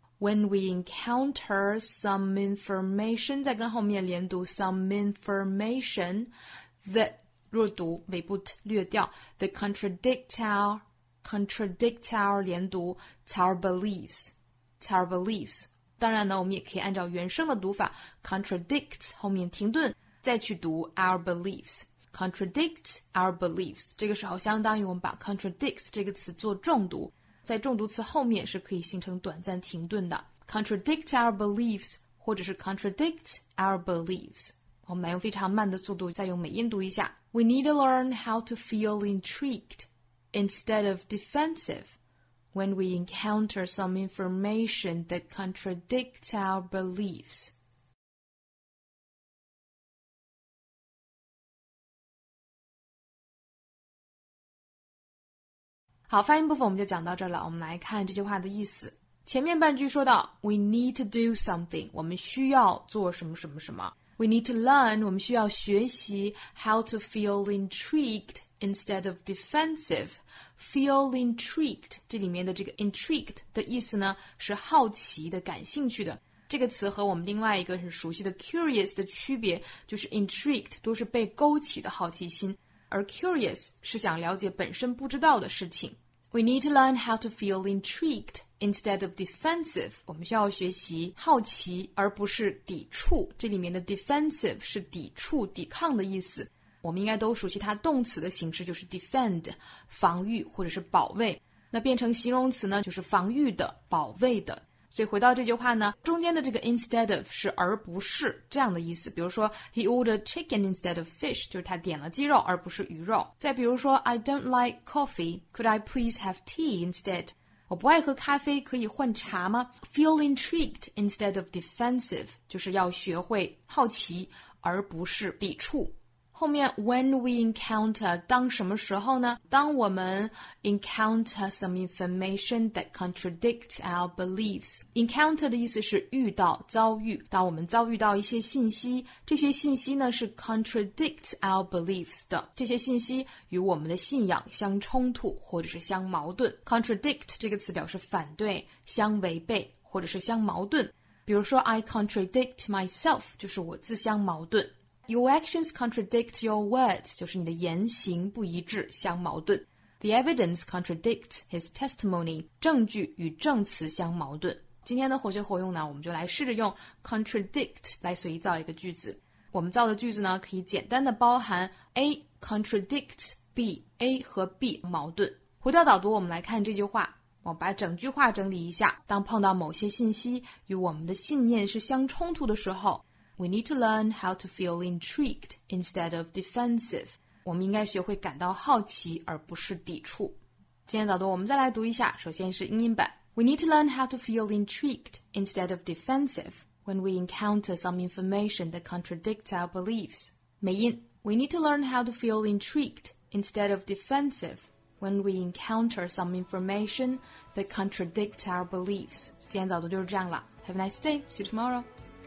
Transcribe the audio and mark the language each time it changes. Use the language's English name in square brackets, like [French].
[English] When we encounter some information， [Chinese] 再跟后面连读 [English] some information that [Chinese] 若读尾部 [English] t [Chinese] 略掉 [English] ，the contradict our [Chinese] 连读 [English] our beliefs。 [Chinese] 当然呢，我们也可以按照原声的读法 ，contradict 后面停顿，再去读 our beliefs。 [English] contradict our beliefs， [Chinese] 这个时候相当于我们把 contradict 这个词做重读，在重读词后面是可以形成短暂停顿的 ，contradict our beliefs， 或者是 contradict our beliefs。我们来用非常慢的速度再用美音读一下。 [English] We need to learn how to feel intrigued instead of defensive when we encounter some information that contradicts our beliefs. [Chinese] Okay, 发音部分我们就讲到这了。我们来看这句话的意思。前面半句说到 , [English] We need to do something, [Chinese] 我们需要做什么什么什么。 [English] We need to learn, [Chinese] 我们需要学习 [English] how to feel intrigued instead of defensive. [Chinese] Feel intrigued, 这里面的这个 intrigued 的意思呢是好奇的，感兴趣的。这个词和我们另外一个很熟悉的 curious 的区别就是 intrigued 都是被勾起的好奇心，而 curious 是想了解本身不知道的事情。 [English] We need to learn how to feel intrigued instead of defensive， [Chinese] 我们需要学习好奇而不是抵触。这里面的 defensive 是抵触、抵抗的意思。我们应该都熟悉它动词的形式，就是 defend， 防御或者是保卫。那变成形容词呢，就是防御的、保卫的。所以回到这句话呢，中间的这个 instead of 是而不是这样的意思。比如说 , [English] he ordered chicken instead of fish, [Chinese] 就是他点了鸡肉而不是鱼肉。再比如说 [English] ,I don't like coffee, could I please have tea instead? [Chinese] 我不爱喝咖啡，可以换茶吗 ? [English] feel intrigued instead of defensive, [Chinese] 就是要学会好奇而不是抵触。后面 [English] when we encounter [Chinese] 当什么时候呢，当我们 [English] encounter some information that contradicts our beliefs， [Chinese] encounter 的意思是遇到、遭遇，当我们遭遇到一些信息，这些信息呢是 [English] contradict our beliefs [Chinese] 的，这些信息与我们的信仰相冲突或者是相矛盾。 contradict 这个词表示反对、相违背或者是相矛盾，比如说 [English] I contradict myself [Chinese] 就是我自相矛盾。 [English] Your actions contradict your words, [Chinese] 就是你的言行不一致，相矛盾。 [English] The evidence contradicts his testimony, [Chinese] 证据与证词相矛盾。今天的活学活用呢，我们就来试着用 contradict 来随意造一个句子。我们造的句子呢，可以简单的包含 [English] A contradicts B, [Chinese] A 和 B 矛盾。回到导读，我们来看这句话。我把整句话整理一下。当碰到某些信息与我们的信念是相冲突的时候， [English] We need to learn how to feel intrigued instead of defensive. [Chinese] 我们应该学会感到好奇而不是抵触。今天早读我们再来读一下，首先是英音版。 [English] We need to learn how to feel intrigued instead of defensive when we encounter some information that contradicts our beliefs. [Chinese] 美音。 [English] We need to learn how to feel intrigued instead of defensive when we encounter some information that contradicts our beliefs. [Chinese] 今天早读就是这样了。 [English] Have a nice day. See you tomorrow.